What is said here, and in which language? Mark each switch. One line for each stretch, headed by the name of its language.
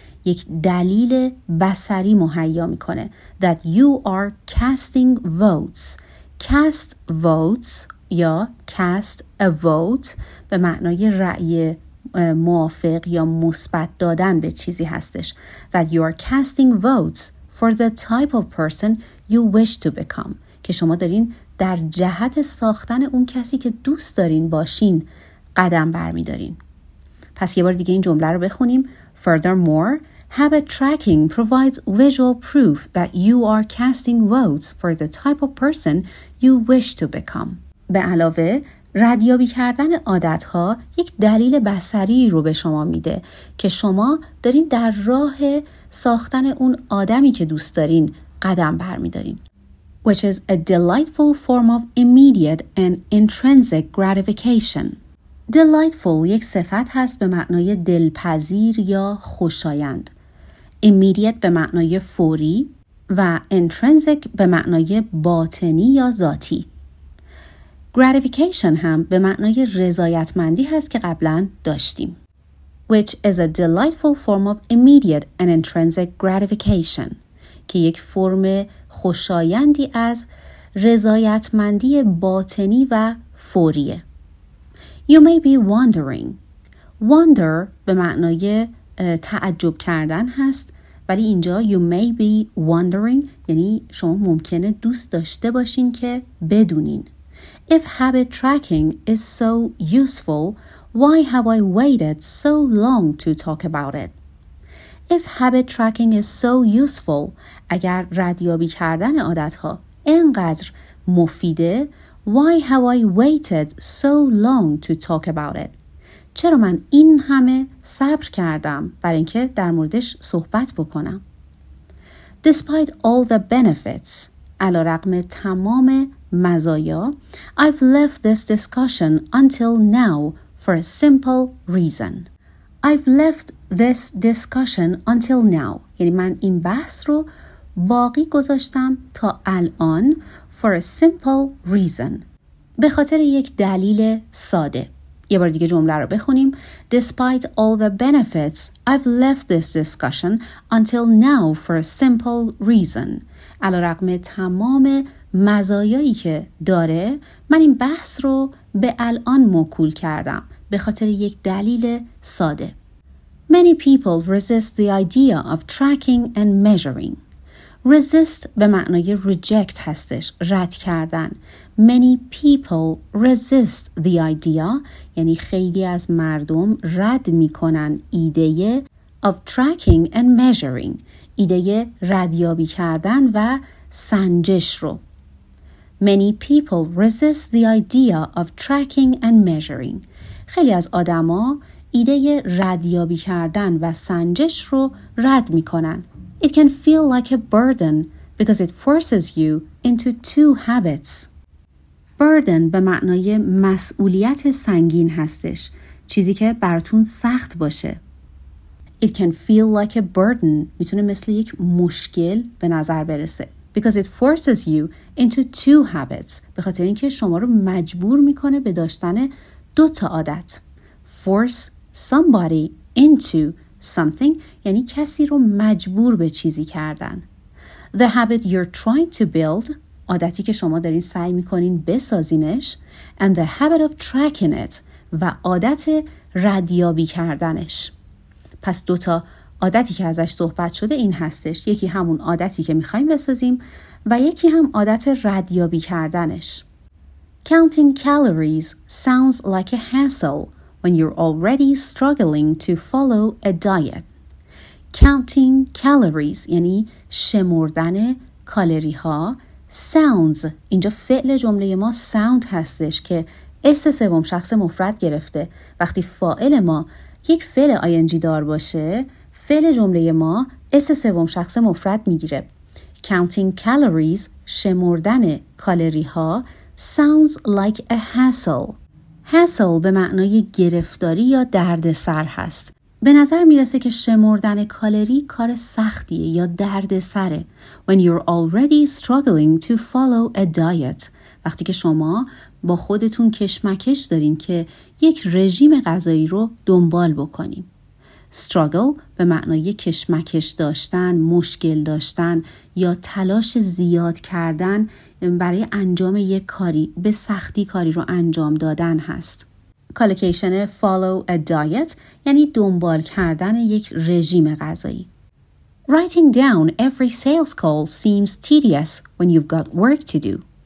Persian: یک دلیل بصری مهیا میکنه.
English: That you are casting votes.
Persian: Cast votes یا
English: cast a vote
Persian: به معنای رأی موافق یا مثبت دادن به چیزی هستش.
English: That you are casting votes for the type of person you wish to become.
Persian: که شما دارین در جهت ساختن اون کسی که دوست دارین باشین قدم برمی‌دارین. پس یه بار دیگه این جمله رو بخونیم.
English: Furthermore, habit tracking provides visual proof that you are casting votes for the type of person you wish to become.
Persian: به علاوه، ردیابی کردن عادت‌ها یک دلیل بصری رو به شما میده که شما دارین در راه ساختن اون آدمی که دوست دارین قدم برمی‌دارین.
English: Which is a delightful form of immediate and intrinsic gratification.
Persian: Delightful یک صفت هست به معنای دلپذیر یا خوشایند. Immediate به معنای فوری و intrinsic به معنای باطنی یا ذاتی. Gratification هم به معنای رضایتمندی هست که قبلا داشتیم.
English: Which is a delightful form of immediate and intrinsic gratification.
Persian: که یک فرم خوشایندی از رضایتمندی باطنی و فوریه.
English: You may be wondering.
Persian: Wonder به معنای تعجب کردن هست، ولی اینجا
English: you may be wondering
Persian: یعنی شما ممکنه دوست داشته باشین که بدونین.
English: If habit tracking is so useful, why have I waited so long to talk about it? If habit tracking is so useful,
Persian: اگر ردیابی کردن عادت‌ها اینقدر مفیده,
English: why have I waited so long to talk about it?
Persian: چرا من این همه صبر کردم برای اینکه در موردش صحبت بکنم؟
English: Despite all the benefits,
Persian: علی‌رغم تمام مزایا,
English: I've left this discussion until now for a simple reason. I've left this discussion until now.
Persian: یعنی من این بحث رو باقی گذاشتم تا الان
English: for a simple reason.
Persian: به خاطر یک دلیل ساده. یه بار دیگه جمله رو بخونیم.
English: Despite all the benefits, I've left this discussion until now for a simple reason.
Persian: علی‌رغم تمام مزایایی که داره, من این بحث رو به الان موکول کردم به خاطر یک دلیل ساده.
English: Many people resist the idea of tracking and measuring.
Persian: Resist به معنای reject هستش, رد کردن.
English: Many people resist the idea,
Persian: یعنی خیلی از مردم رد میکنن ایده
English: of tracking and measuring,
Persian: ایده ردیابی کردن و سنجش رو.
English: Many people resist the idea of tracking and measuring.
Persian: خیلی از آدما ایده ردیابی کردن و سنجش رو رد میکنن.
English: It can feel like a burden because it forces you into two habits.
Persian: Burden به معنای مسئولیت سنگین هستش. چیزی که براتون سخت باشه.
English: It can feel like a burden.
Persian: میتونه مثل یک مشکل به نظر برسه.
English: Because it forces you into two habits.
Persian: به خاطر اینکه شما رو مجبور میکنه به داشتن دو تا عادت. Force somebody into something یعنی کسی رو مجبور به چیزی کردن.
English: The habit you're trying to build,
Persian: عادتی که شما دارین سعی میکنین بسازینش,
English: and the habit of tracking it,
Persian: و عادت ردیابی کردنش. پس دوتا عادتی که ازش صحبت شده این هستش, یکی همون عادتی که میخواییم بسازیم و یکی هم عادت ردیابی کردنش.
English: Counting calories sounds like a hassle when you're already struggling to follow a diet.
Persian: Counting calories یعنی شمردن کالری ها. Sounds اینجا فعل جمله ما sound هستش که اس سوم شخص مفرد گرفته. وقتی فاعل ما یک فعل ing دار باشه, فعل جمله ما اس سوم شخص مفرد میگیره. Counting calories شمردن کالری ها
English: sounds like a hassle.
Persian: Hassle به معنای گرفتاری یا دردسر هست. به نظر میرسه که شمردن کالری کار سختیه یا درد سره. When you're already struggling to follow a diet. وقتی که شما با خودتون کشمکش دارین که یک رژیم غذایی رو دنبال بکنیم. Struggle به معنای کشمکش داشتن، مشکل داشتن یا تلاش زیاد کردن برای انجام یک کاری، به سختی کاری رو انجام دادن هست. Collocation follow a diet یعنی دنبال کردن یک رژیم غذایی.
English: Writing down every sales call seems tedious when you've got work to do.